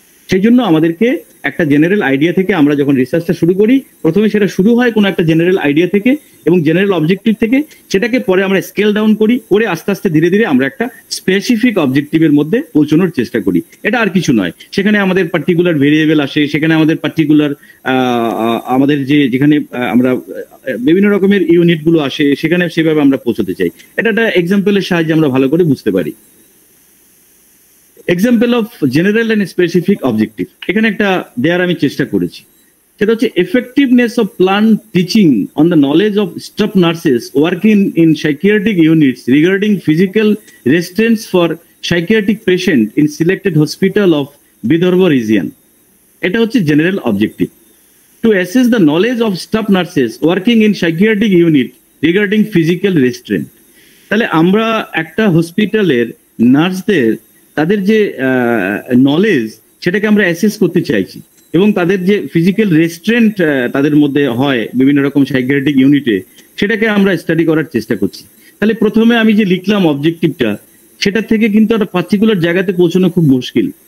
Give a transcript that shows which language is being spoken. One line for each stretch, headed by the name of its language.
Bangla: সেই জন্য আমাদেরকে একটা জেনারেল আইডিয়া থেকে আমরা যখন রিসার্চটা শুরু করি প্রথমে সেটা শুরু হয় কোনো একটা জেনারেল আইডিয়া থেকে এবং জেনারেল অবজেক্টিভ থেকে সেটাকে পরে আমরা স্কেল ডাউন করি করে আস্তে আস্তে ধীরে ধীরে আমরা একটা স্পেসিফিক অবজেক্টিভের মধ্যে পৌঁছানোর চেষ্টা করি। এটা আর কিছু নয়, সেখানে আমাদের পার্টিকুলার ভেরিয়েবল আসে, সেখানে আমাদের পার্টিকুলার আমাদের যে যেখানে আমরা বিভিন্ন রকমের ইউনিটগুলো আসে সেখানে সেভাবে আমরা পৌঁছতে চাই। এটা একটা এক্সাম্পলের সাহায্যে আমরা ভালো করে বুঝতে পারি।
English: Example of general and specific objective.
Bangla: এখানে একটা দেয়ার আমি চেষ্টা করেছি, সেটা হচ্ছে
English: effectiveness of plant teaching on the knowledge of staff nurses working in psychiatric units regarding physical restraints for psychiatric patient in selected hospital of Vidarbha region.
Bangla: এটা হচ্ছে general objective.
English: To assess the knowledge of staff nurses working in psychiatric unit regarding physical restraint.
Bangla: তাহলে আমরা একটা হসপিটালের নার্সদের তাদের যে knowledge সেটাকে আমরা অ্যাসেস করতে চাইছি এবং তাদের যে ফিজিক্যাল রেস্ট্রেন্ট তাদের মধ্যে হয় বিভিন্ন রকম সাইকিয়াট্রিক ইউনিটে সেটাকে আমরা স্টাডি করার চেষ্টা করছি। তাহলে প্রথমে আমি যে লিখলাম অবজেক্টিভটা সেটা থেকে কিন্তু একটা পার্টিকুলার জায়গাতে পৌঁছানো খুব মুশকিল।